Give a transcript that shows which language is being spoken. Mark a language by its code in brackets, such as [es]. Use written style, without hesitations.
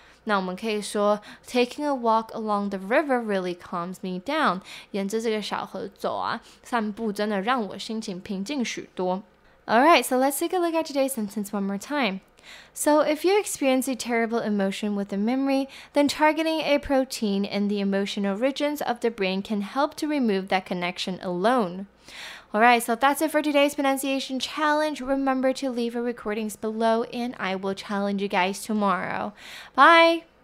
[zh] 那我们可以说 [en] taking a walk along the river really calms me down. [zh] 沿着这个小河走啊，散步真的让我心情平静许多。 [en] Alright, so let's take a look at today's sentence one more time. So if you experience a terrible emotion with a memory, then targeting a protein in the emotional regions of the brain can help to remove that connection alone. Alright, so that's it for today's pronunciation challenge. Remember to leave your recordings below and I will challenge you guys tomorrow. Bye!